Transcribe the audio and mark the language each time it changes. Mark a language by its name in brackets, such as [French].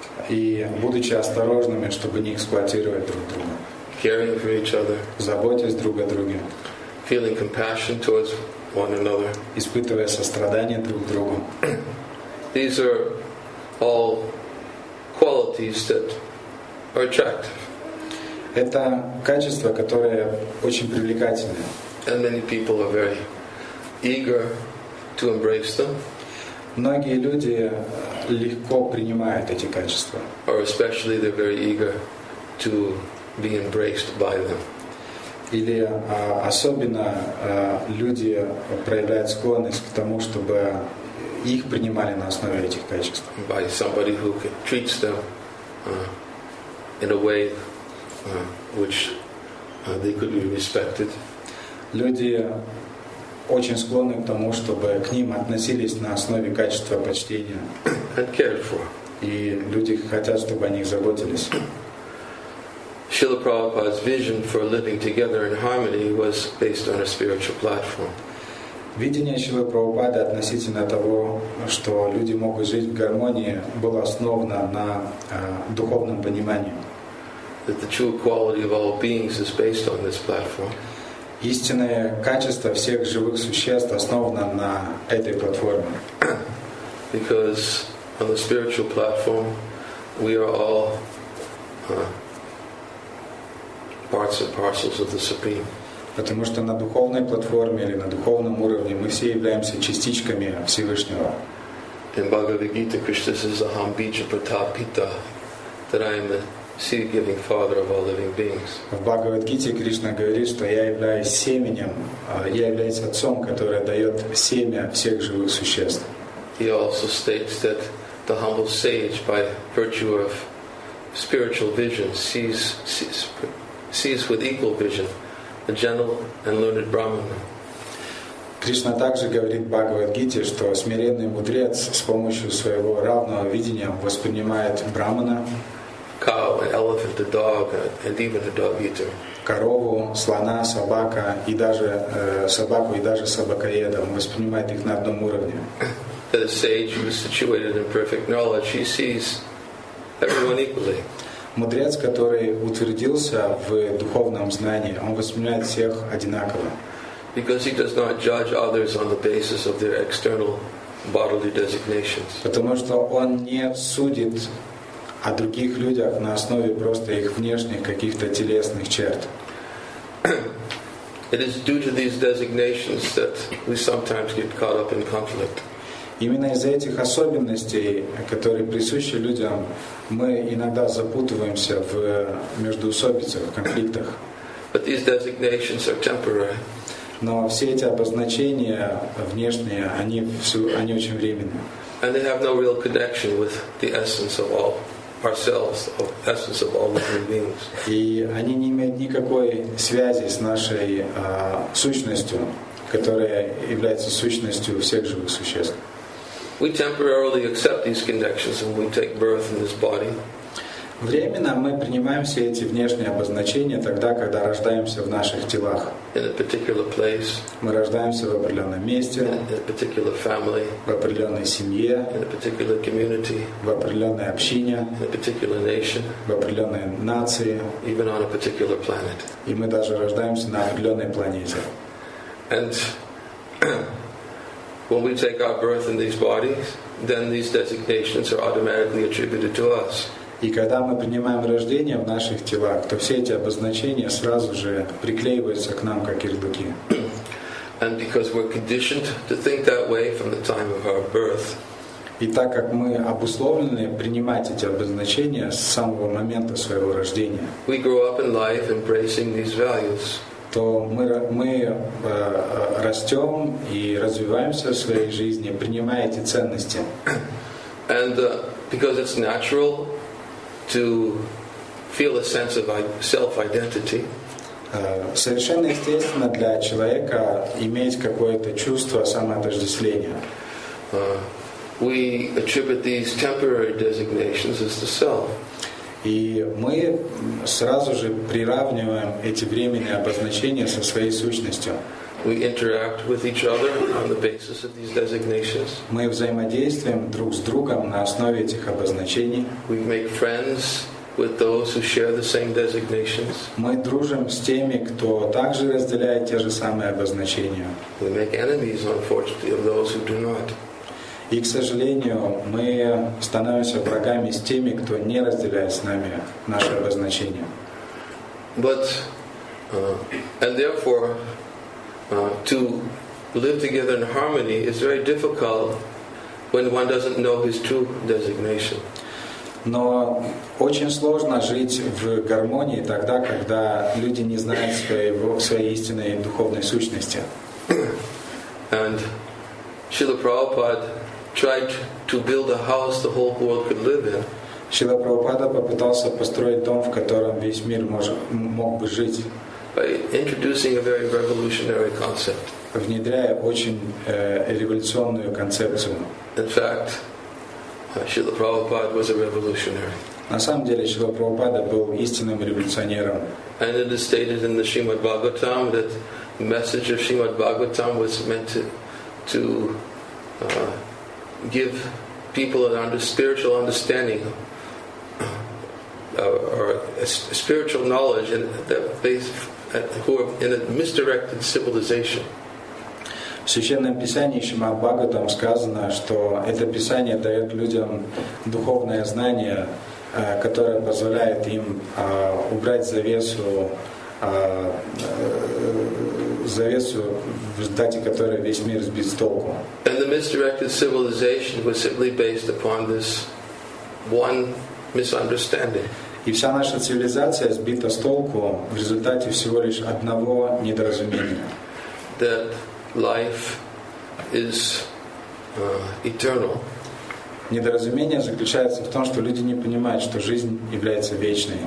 [Russian] И будучи осторожными, чтобы не эксплуатировать друг друга. [English] Caring for each other, [Russian] заботясь друг о друге, [English] feeling compassion towards one another, [Russian] испытывая сострадание друг к другу. [English] These are all qualities that are attractive. [Russian] Это качества, которые очень привлекательны. [English] And many people are very eager to embrace them. [Russian] Многие люди легко принимают эти качества. [English] Or especially they're very eager to be embraced by them. [Russian] Или особенно люди проявляют склонность к тому, чтобы их принимали на основе этих качеств. [English] By somebody who treats them in a way which they could be respected. [Russian] Люди очень склонны к тому, чтобы к ним относились на основе качества почтения. [English] And cared for. [Russian] И люди хотят, чтобы о них заботились. [English] Srila Prabhupada's vision for living together in harmony was based on a spiritual platform. [Russian] Видение Шрилы Прабхупады относительно того, что люди могут жить в гармонии, было основано на духовном понимании. [English] That the true quality of all beings is based on this platform. [Russian] Истинное качество всех живых существ основано на этой платформе. [English] Because on the spiritual platform, we are all parts and parcels of the Supreme. [Russian] Потому что на духовной платформе или на духовном уровне мы все являемся частичками Всевышнего. [English] In Bhagavad Gita, Krishna says, [Sanskrit] "Aham bija pratapita," [English] that I am the seed-giving father of all living beings. [Russian] В Бхагавад Гите Кришна говорит, что я являюсь семенем, я являюсь отцом, который дает семя всех живых существ. [English] He also states that the humble sage, by virtue of spiritual vision, sees with equal vision the gentle and learned brahmana. [Russian] Кришна также говорит в Бхагавад-гите, что смиренный мудрец с помощью своего равного видения воспринимает брамана, [English] cow, an elephant, a dog, and even a dog eater. [Russian] Корову, слона, собака и даже собаку и даже собакоеда воспринимает их на одном уровне. [English] The sage who is situated in perfect knowledge, he sees everyone equally. [Russian] Мудрец, который утвердился в духовном знании, он воспринимает всех одинаково. [English] Because he does not judge others on the basis of their external bodily designations. [Russian] Потому что он не судит о других людях на основе просто их внешних каких-то телесных черт. [English] It is due to these designations that we sometimes get caught up in conflict. [Russian] Именно из-за этих особенностей, которые присущи людям, мы иногда запутываемся в междоусобицах, в конфликтах. [English] But these designations are temporary. [Russian] Но все эти обозначения внешние, они очень временные. [English] And they have no real connection with the essence of all ourselves, of essence of all living beings. [Russian] И они не имеют никакой связи с нашей сущностью, которая является сущностью всех живых существ. [English] We temporarily accept these connections when we take birth in this body. [Russian] Временно мы принимаем все эти внешние обозначения тогда, когда рождаемся в наших телах. [English] In a particular place. [Russian] Мы рождаемся в определенном месте. [English] In a particular family. [Russian] В определенной семье. [English] In a particular community. [Russian] В определенной общине. [English] In a particular nation. [Russian] В определенной нации. [English] Even on a particular planet. [Russian] И мы даже рождаемся на определенной планете. [English] And when we take our birth in these bodies, then these designations are automatically attributed to us. [Russian] И когда мы принимаем рождение в наших телах, то все эти обозначения сразу же приклеиваются к нам как ярлыки. [English] And because we're conditioned to think that way from the time of our birth. [Russian] И так как мы обусловлены принимать эти обозначения с самого момента своего рождения. [English] We grow up in life embracing these values. [Russian] То мы растем и развиваемся в своей жизни, принимая эти ценности. [English] And because it's natural to feel a sense of self-identity. [Russian] Совершенно естественно для человека иметь какое-то чувство самоотождествления. [English] We attribute these temporary designations as the self. [Russian] И мы сразу же приравниваем эти временные обозначения со своей сущностью. [English] We interact with each other on the basis of these designations. [Russian] Мы взаимодействуем друг с другом на основе этих обозначений. [English] We make friends with those who share the same designations. [Russian] Мы дружим с теми, кто также разделяет те же самые обозначения. [English] We make enemies, unfortunately, of those who do not. [Russian] И, к сожалению, мы становимся врагами с теми, кто не разделяет с нами наши обозначения. [English] But and therefore to live together in harmony is very difficult when one doesn't know his true designation. [Russian] Но очень сложно жить в гармонии тогда, когда люди не знают своей истинной духовной сущности. [English] And Srila Prabhupada tried to build a house the whole world could live in. [Russian] Srila Prabhupada попытался построить дом, в котором весь мир мог бы жить. [English] By introducing a very revolutionary concept. [Russian] Внедряя очень революционную концепцию. [English] In fact, Srila Prabhupada was a revolutionary. [Russian] На самом деле Srila Prabhupada был истинным революционером. [English] And it is stated in the Srimad Bhagavatam that the message of Srimad Bhagavatam was meant to give people spiritual understanding. Or a spiritual knowledge and that who are in a misdirected civilization. [Russian] В Священном Писании Шримад Бхагаватам сказано, что это писание дает людям духовное знание, которое позволяет им убрать завесу, в результате которой весь мир сбит с толку. [English] And the misdirected civilization was simply based upon this one misunderstanding. [Russian] И вся наша цивилизация сбита с толку в результате всего лишь одного недоразумения. [English] That life is eternal. [Russian] Недоразумение заключается в том, что люди не понимают, что жизнь является вечной.